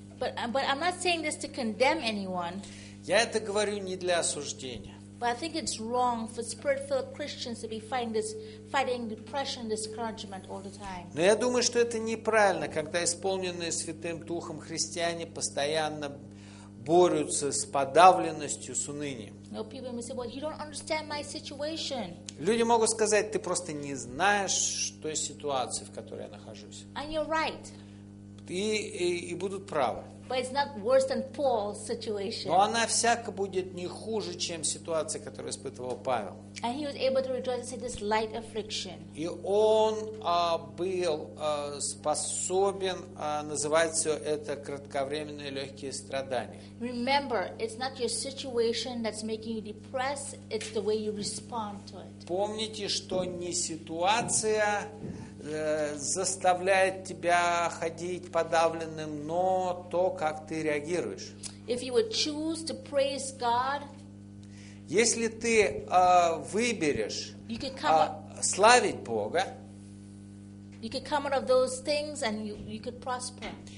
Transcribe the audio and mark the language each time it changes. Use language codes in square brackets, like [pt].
[en] But I'm not saying this to condemn anyone. [ru] Я это говорю не для осуждения. [en] But I think it's wrong for spirit-filled Christians to be fighting depression, discouragement all the time. [ru] Но я думаю, что это неправильно, когда исполненные Святым Духом христиане постоянно борются с подавленностью, с унынием. [en] No, people may say, "Well, you don't understand my situation." [ru] Люди могут сказать, ты просто не знаешь той ситуации, в которой я нахожусь. [en] And you're right. [ru] И будут правы. [en] But it's not worse than Paul's situation. [ru] Но она всяко будет не хуже, чем ситуация, которую испытывал Павел. [en] And he was able to rejoice in this light affliction. [ru] И он был способен называть все это кратковременные легкие страдания. [en] Remember, it's not your situation that's making you depressed, it's the way you respond to it. [ru] Помните, что не ситуация заставляет тебя ходить подавленным, но то, как ты реагируешь. [en] If you would choose to praise God, [ru] если ты выберешь [en] you could come [ru] славить Бога, [en] you could come out of those things and you could prosper.